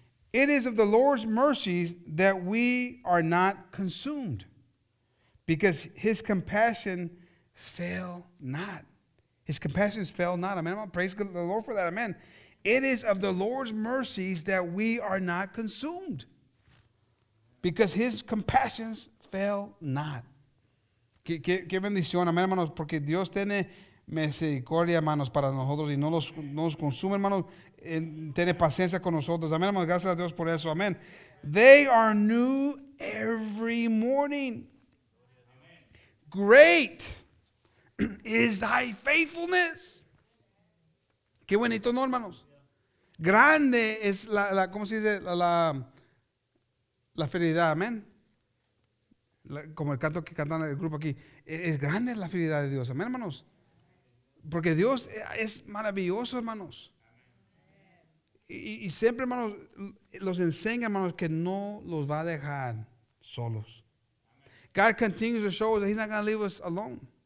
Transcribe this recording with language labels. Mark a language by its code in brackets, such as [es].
[en] It is of the Lord's mercies that we are not consumed, because his compassion fail not. His compassions fail not. Amen. Praise the Lord for that. Amen. It is of the Lord's mercies that we are not consumed, because his compassions fail not. [es] Qué bendición, amén, hermanos, porque Dios tiene misericordia, hermanos, para nosotros y no nos consume, hermanos, tiene paciencia con nosotros. Amén, hermanos, gracias a Dios por eso. Amén. [en] They are new every morning. Great is thy faithfulness. [es] Qué bonito, ¿no, hermanos? Grande es la ¿cómo se dice? La fidelidad, amén. Como el canto que cantan el grupo aquí. Es grande la fidelidad de Dios, amén, hermanos. Porque Dios es maravilloso, hermanos. Y siempre, hermanos, los enseña, hermanos, que no los va a dejar solos. [en] God continues to show us that he's not going to leave us alone.